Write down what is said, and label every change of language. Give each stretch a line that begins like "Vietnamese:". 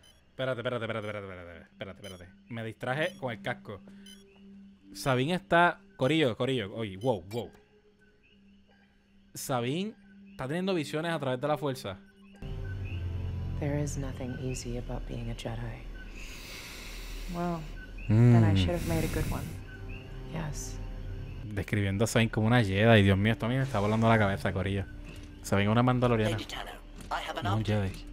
Spanish: Espérate. Me distraje con el casco. Sabine está. Corillo. Oye, wow. Sabine está teniendo visiones a través de la fuerza.
English: There is nothing easy about being a Jedi. Well, then I should have made a good one.
Spanish: Yes. Describiendo a Sabine como una Jedi. Y Dios mío, esto a mí me está volando la cabeza, corillo. Sabine es una mandaloriana. No un Jedi.